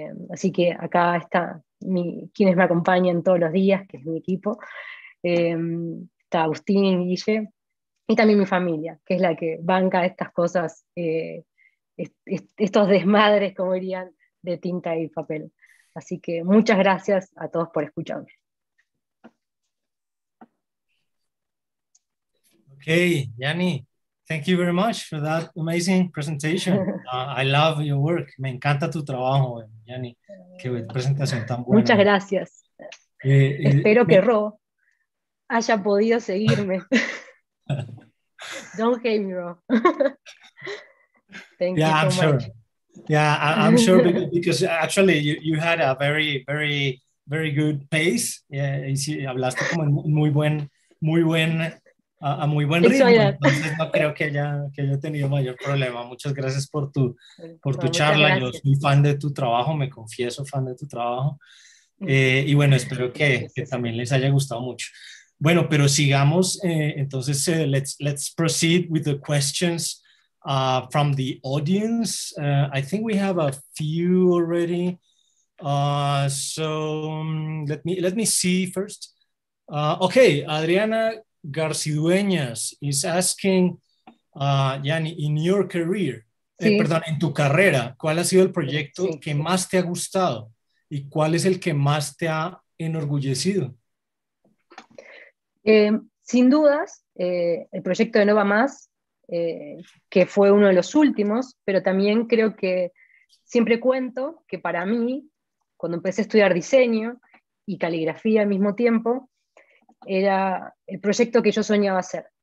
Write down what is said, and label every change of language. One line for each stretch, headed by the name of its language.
Spanish: Así que acá está quienes me acompañan todos los días, que es mi equipo, está Agustín, Guille, y también mi familia, que es la que banca estas cosas, estos desmadres, como dirían, de tinta y papel. Así que muchas gracias a todos por escucharme.
English: Okay, Yanni, thank you very much for that amazing presentation. I love your work.
Spanish: Me encanta tu trabajo, Yanni. Qué presentación tan buena. Muchas gracias. Espero que Ro haya podido seguirme.
English: Don't hate me, Ro. Yeah, I'm sure because actually you had a very, very, very good pace.
Spanish: Yeah, y si hablaste como muy buen ritmo. Entonces no creo que haya tenido mayor problema. Muchas gracias por tu charla. Yo soy fan de tu trabajo, me confieso fan de tu trabajo. Y bueno, espero que también les haya gustado mucho. Bueno, pero sigamos. Entonces,
English: let's proceed with the questions. From the audience, I think we have a few already. So let me see first. Okay, Adriana Garcidueñas is asking, Yanni, in your career, sí.
Spanish: En tu carrera, ¿cuál ha sido el proyecto sí. que más te ha gustado y cuál es el que más te ha enorgullecido? Sin dudas, el proyecto de Nova Más. Que fue uno de los últimos, pero también creo que siempre cuento que para mí, cuando empecé a estudiar diseño y caligrafía al mismo tiempo, era el proyecto que yo soñaba hacer.